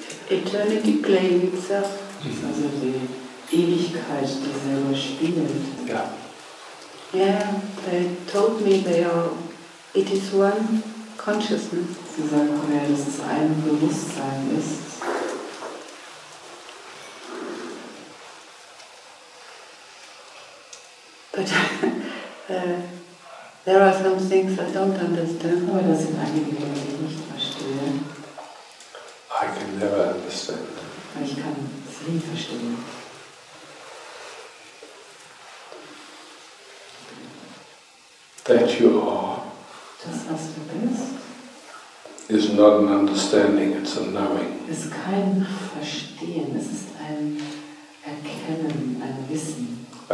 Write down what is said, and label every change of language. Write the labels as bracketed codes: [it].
[en] Eternity playing itself. Mm-hmm. [de] Also die Ewigkeit, die selber spielt. Ja. [en] Yeah, they told me it is one consciousness. [de] Sie sagen auch, dass es ein Bewusstsein ist. [en] But there are some things I don't understand. [de] Aber das sind einige Dinge, die ich nicht verstehe. [en] I can never understand. [de] Ich kann sie nie verstehen. [en] That you are. [de] Das, was du bist. [en] Is not an understanding, it's a knowing. [de] Ist kein Verstehen, es ist ein Erkennen, ein Wissen.